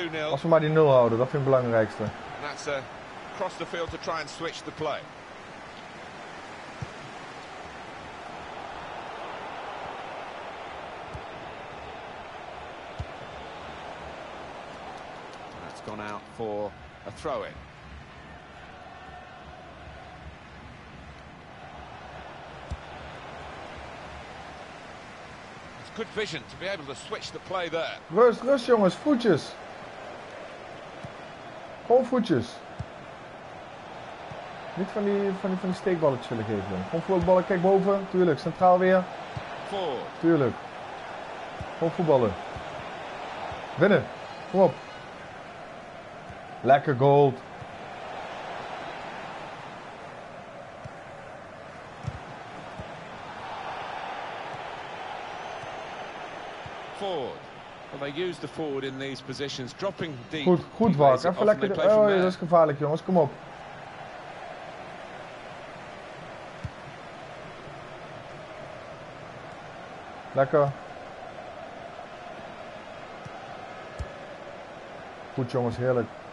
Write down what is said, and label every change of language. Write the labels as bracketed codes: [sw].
[nl] Als we maar die 0 houden, dat vind ik het belangrijkste. [en] Cross the field to try and switch the play. Gone out for a throw-in. It's good vision to be able to switch the play there. [nl] Rust, rust, jongens, voetjes. Gewoon voetjes. Niet van die steekballetjes willen geven. Gewoon voetballen, kijk boven, tuurlijk. Centraal weer. [en] Four. [nl] Tuurlijk. Gewoon voetballen. Winnen. Kom op. Lekker goal. [en] Forward. Well, they use the forward in these positions, dropping deep. [nl] Goed, goed Wout. Even lekker. Oh, ja, dat is gevaarlijk, jongens. Kom op. Lekker. Goed, jongens, heerlijk.